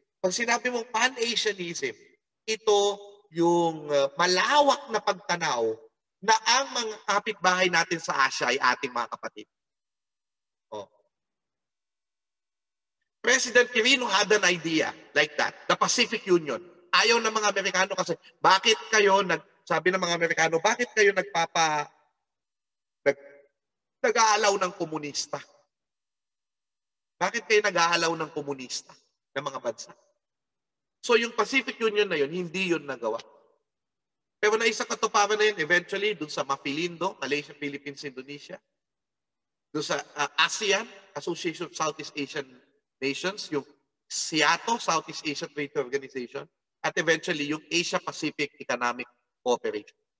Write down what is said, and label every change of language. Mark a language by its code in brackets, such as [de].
[tl] Pag sinabi mong Pan-Asianism, ito yung malawak na pagtanaw na ang mga kapitbahay natin sa Asia ay ating mga kapatid. Oh. [en] President Quirino had an idea like that, the Pacific Union. [tl] Ayaw ng mga Amerikano kasi bakit kayo sabi ng mga Amerikano, bakit kayo nag-aalaw ng komunista? Bakit kayo nag-aalaw ng komunista ng mga bansa? So yung Pacific Union na yun, hindi yun nagawa. Pero naisa katuparan na yun, eventually, dun sa Mapilindo, Malaysia, Philippines, Indonesia, dun sa ASEAN, Association of Southeast Asian Nations, yung SEATO, Southeast Asian Trade Organization, at eventually, yung Asia-Pacific Economic Cooperation.